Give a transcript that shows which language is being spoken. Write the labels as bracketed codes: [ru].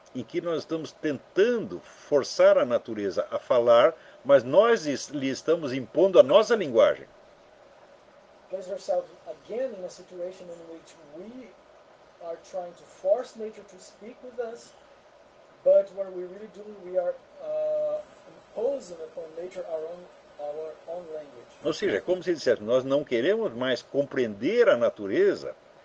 [pt] em que nós estamos tentando forçar a natureza a falar, mas nós lhe estamos impondo a nossa linguagem. [en] Place ourselves again in a situation in which we are trying to force nature to speak with us. But what we really do, we are imposing upon nature our own language. [pt] Ou seja, como se dissesse, nós não queremos mais compreender a natureza